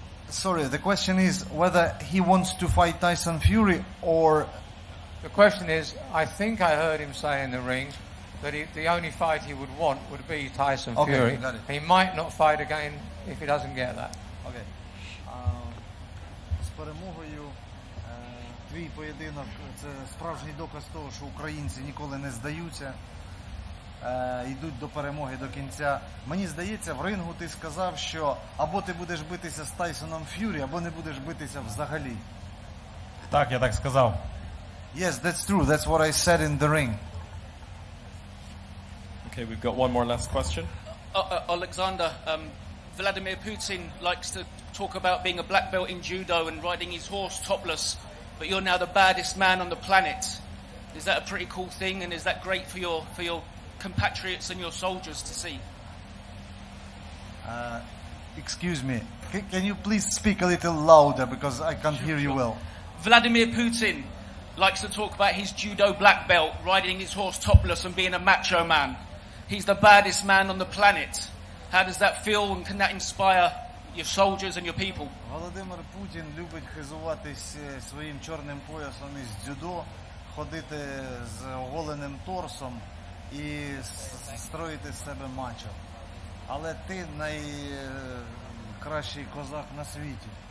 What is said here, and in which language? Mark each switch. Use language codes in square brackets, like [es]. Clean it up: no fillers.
[en] Sorry, the question is whether he wants to fight Tyson Fury or... The question is, I think I heard him say in the ring that the only fight he would want would be Tyson okay, Fury. Got it. He might not fight again if he doesn't get that. Okay. [uk] З перемогою твій поєдинок – це справжній доказ того, що українці ніколи не здаються, йдуть до перемоги, до кінця. Мені здається, в рингу ти сказав, що або ти будеш битися з Тайсоном Ф'юрі, або не будеш битися взагалі. Так, я так сказав. [en] Yes, that's true. That's what I said in the ring. Okay, we've got one more last question. Alexander, Vladimir Putin likes to talk about being a black belt in judo and riding his horse topless, but you're now the baddest man on the planet. Is that a pretty cool thing, and is that great for your compatriots and your soldiers to see? Excuse me, can you please speak a little louder, because I can't hear you well. Vladimir Putin likes to talk about his judo black belt, riding his horse topless and being a macho man. He's the baddest man on the planet. How does that feel, and can that inspire your soldiers and your people? [uk] Володимир Путін любить хизуватись своїм чорним поясом із дзюдо, ходити з оголеним торсом і строїти з себе мачо. Але ти найкращий козак на світі.